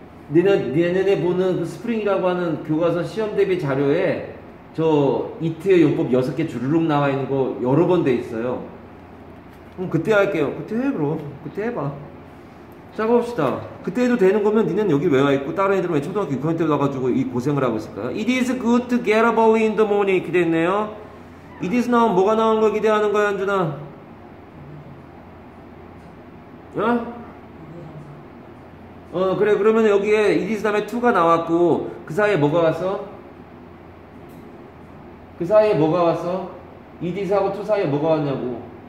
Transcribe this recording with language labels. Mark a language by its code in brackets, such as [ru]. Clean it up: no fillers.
[ko] 내년에 보는 그 스프링이라고 하는 교과서 시험 대비 자료에 저 이트의 용법 6개 주르륵 나와 있는 거 여러 번 돼 있어요. 그럼 그때 할게요. 그때 해, 그럼. 그때 해봐. 자, 봅시다. 그때 해도 되는 거면 니네는 여기 왜 와 있고 다른 애들은 왜 초등학교 6학년 때 와가지고 이 고생을 하고 있을까요? [en] It is good to get up early in the morning. [ko] 이렇게 돼 있네요. It is 나온 뭐가 나온 걸 기대하는 거야, 현준아? 어? 어, 그래. 그러면 여기에 it is 다음에 to가 나왔고 그 사이에 뭐가 왔어? 그 사이에 뭐가 왔어? it is 하고 to 사이에 뭐가 왔냐고.